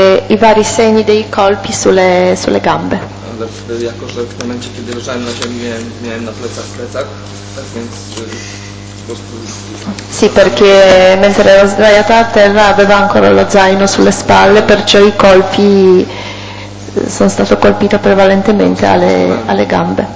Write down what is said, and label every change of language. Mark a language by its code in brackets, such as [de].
[it] I vari segni dei colpi sulle gambe. [pl] Jako że w momencie, kiedy leżałem na ziemi, miałem na plecach, tak więc po prostu... [it] Sì, perché mentre ero sdraiata a terra aveva ancora lo zaino sulle spalle, perciò i colpi sono stato colpito prevalentemente alle gambe.